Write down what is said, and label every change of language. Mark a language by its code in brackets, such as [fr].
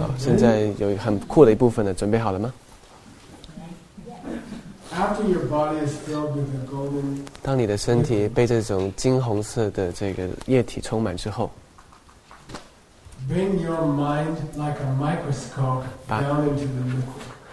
[zh] 好，现在有很酷的一部分了，准备好了吗？ [en] After your body is filled with a golden, [zh] 当你的身体被这种金红色的这个液体充满之后， [en] bring your mind like a microscope down into the liquid.